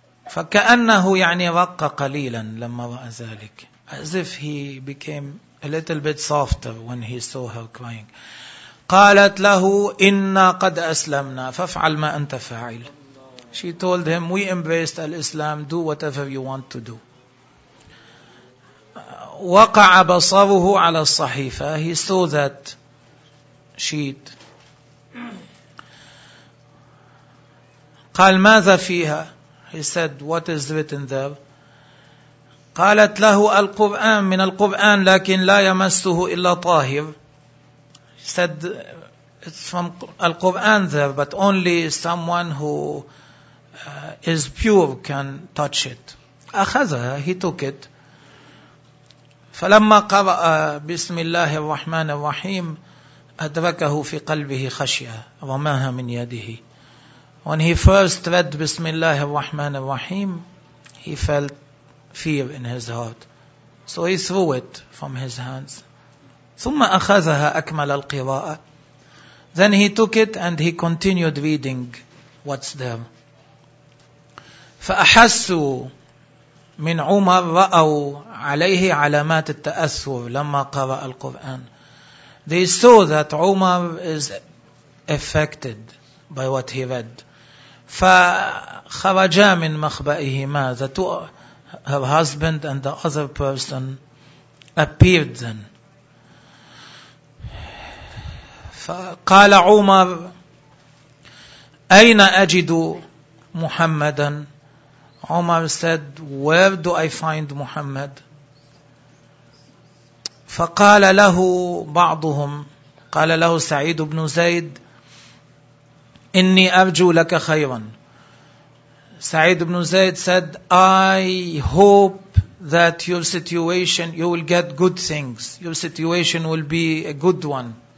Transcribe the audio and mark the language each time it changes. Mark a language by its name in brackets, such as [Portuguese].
[Arabic] فكأنه يعني رق قليلا لما رأى ذلك. [English] As if he became a little bit softer when he saw her crying. [Arabic] قالت له إنا قد أسلمنا فافعل ما أنت فاعل. [English] She told him, we embraced al-Islam, do whatever you want to do. [Arabic] وقع بصره على الصحيفة. [English] He saw that sheet. [Arabic] قال ماذا فيها. [English] He said, what is written there? [Arabic] قالت له القرآن من القرآن لكن لا يمسه إلا طاهر. [English] He said, it's from القرآن there, but only someone who is pure can touch it. [Arabic] أخذها. [English] He took it. [Arabic] فلما قرأ بسم الله الرحمن الرحيم أدركه في قلبه خشية رماها من يده. [English] When he first read Bismillah ar-Rahman ar-Rahim, he felt fear in his heart. So he threw it from his hands. [Arabic] ثم أخذها أكمل القراءة. [English] Then he took it and he continued reading what's there. [Arabic] فأحسوا من عمر رأوا عليه علامات التأثر لما قرأ القرآن. [English] They saw that Umar is affected by what he read. [Arabic] فخرجا من مخبئهما. [English] The two, her husband and the other person, appeared then. [Arabic] فقال عمر أين أجد محمدا. [English] عمر said, where do I find Muhammad? [Arabic] فقال له بعضهم. قال له سعيد بن زيد إني أرجو لك خيرا. [English] سعيد بن زيد said, I hope that your situation, you will get good things. Your situation will be a good one.